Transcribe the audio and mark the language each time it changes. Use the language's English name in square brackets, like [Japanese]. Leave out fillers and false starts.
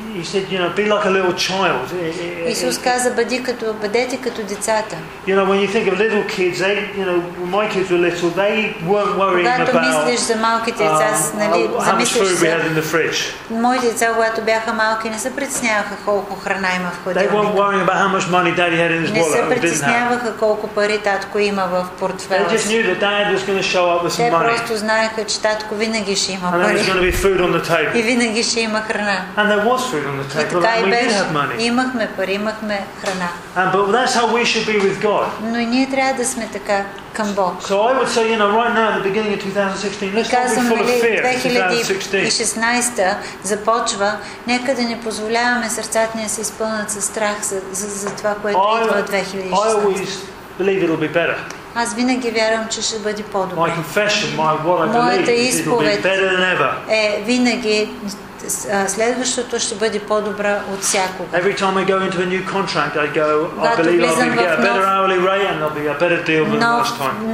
[English] said, you know, be like a little child. [Bulgarian] Исус каза, бъдете като децата. [English] You know, when you think of little kids, they, you know, when my kids were little, they weren't worrying about. [Bulgarian] Когато мислиш за малките деца, нали, замислиш се. Моите деца, когато бяха малки, не се притесняваха колко храна има в хладилника. [English] They weren't worrying about how much money daddy had in his wallet. [Bulgarian] Не се притесняваха колко пари татко има в портфела. [English] They just knew that dad was going to show up with some money. [Bulgarian] Те просто знаеха, че татко винаги ще има пари. [English] And there was going to be food on the table. [Bulgarian] И винаги ще има храна. [English] And there was food on the table. [Bulgarian] И така и беше. Имахме пари, имахме храна. [English] And but that's how we should be with God. [Bulgarian] Но и ние трябва да сме така към Бог. [English] So I would say, you know, right now, at the beginning of 2016, let's [Bulgarian] казвам, [English] not be full of fear. 2016 [Bulgarian] започва, нека да не позволяваме сърцата ни да се изпълнят със страх за това, което идва 2016. [English] I always believe it'll be better. [Bulgarian] Аз винаги вярвам, че ще бъде по-добре. [English] My confession, my what I believe, it'll be better than ever. [Bulgarian] Е, винаги следващото ще бъде по-добро от всякога. [English] Every time I go into a new contract, I go, I believe I'll be a better hourly rate and there'll be a better deal than last time.